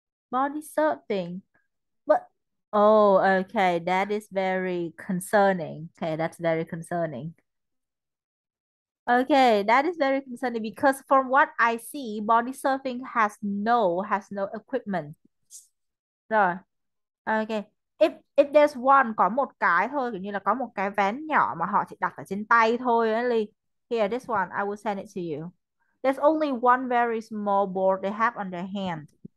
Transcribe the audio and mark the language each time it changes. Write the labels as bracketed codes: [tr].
[en] Body surfing, but oh, okay, that is very concerning. Okay, that's very concerning. Okay, that is very concerning because from what I see, body surfing has no equipment. No, okay. If there's one, [vi] có một cái thôi, kiểu như là có một cái ván nhỏ mà họ chỉ đặt ở trên tay thôi. [en] Only here, this one, I will send it to you. There's only one very small board they have on their hand.